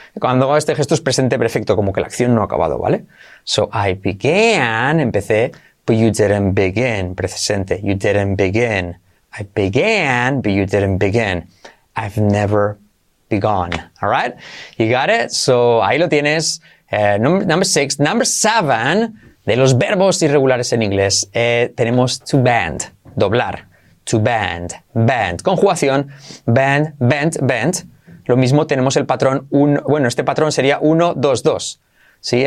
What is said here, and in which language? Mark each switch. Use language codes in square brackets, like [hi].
[es] Cuando hago este gesto es presente perfecto, como que la acción no ha acabado, ¿vale? [en] So, I began, [es] empecé, [en] but you didn't begin, presente. You didn't begin. I began, but you didn't begin. I've never begun. All right? You got it? So, [es] ahí lo tienes. [en] Number six. Number seven, [es] de los verbos irregulares en inglés, tenemos to bend, doblar. [en] To bend, bend. Conjugación, bend, bent, bent. [es] Lo mismo tenemos el patrón, este patrón sería 1, 2, 2. ¿Sí?